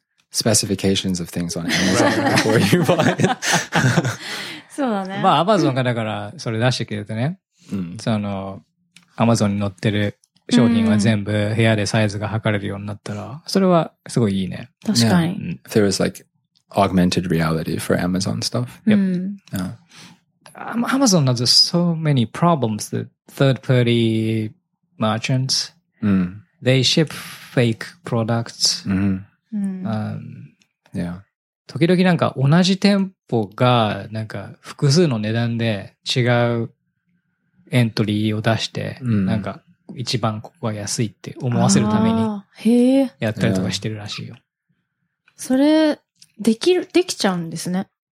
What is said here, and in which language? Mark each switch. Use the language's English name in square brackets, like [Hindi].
[English] Specifications of things on Amazon before you buy it. [Japanese] そうだね。まあ、Amazon がだから、それ出してくれてね。うん。その、Amazon に載ってる商品は全部部屋でサイズが測れるようになったら、それはすごいいいね。確かに。 [English] There is like,augmented reality for Amazon stuff. Yep. Yeah. Amazon has so many problems that third-party merchants, they ship fake products. Yeah. [Japanese] 時々なんか同じ店舗がなんか複数の値段で違うエントリーを出して、なんか一番ここは安いって思わせるためにやったりとかしてるらしいよ。それ、できちゃうんですね。